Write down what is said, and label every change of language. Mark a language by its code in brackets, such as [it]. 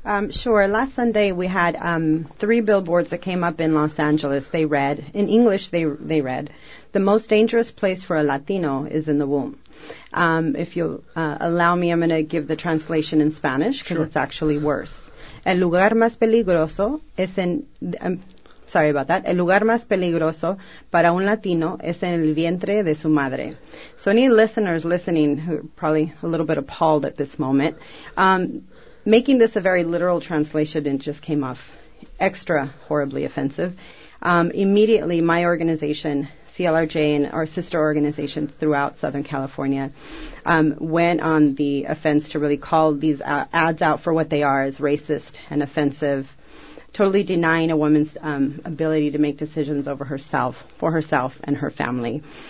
[en] Sure. Last Sunday we had three billboards that came up in Los Angeles. They read, in English they read, "The most dangerous place for a Latino is in the womb." If you'll allow me, I'm going to give the translation in Spanish because it's actually worse. [es] El lugar más peligroso es en... [en] sorry about that. [es] El lugar más peligroso para un Latino es en el vientre de su madre. [en] So any listeners listening who are probably a little bit appalled at this moment, making this a very literal translation, it just came off extra horribly offensive. Immediately, my organization, CLRJ, and our sister organizations throughout Southern California went on the offense to really call these ads out for what they are, as racist and offensive, totally denying a woman's ability to make decisions over herself, for herself and her family.